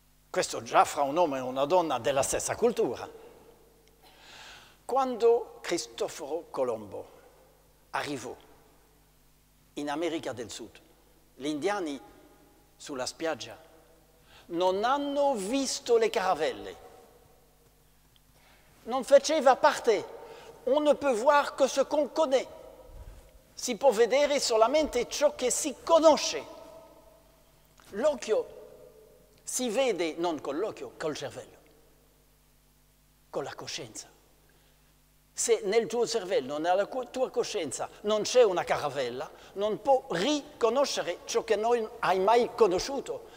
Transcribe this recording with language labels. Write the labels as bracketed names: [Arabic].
[Italian] Questo già fra un uomo e una donna della stessa cultura. Quando Cristoforo Colombo arrivò in America del Sud, gli indiani sulla spiaggia non hanno visto le caravelle. Non faceva parte. [French] On ne peut voir que ce qu'on connaît. [Italian] Si può vedere solamente ciò che si conosce. L'occhio si vede non con l'occhio, col cervello, con la coscienza. Se nel tuo cervello, nella tua coscienza, non c'è una caravella, non può riconoscere ciò che non hai mai conosciuto.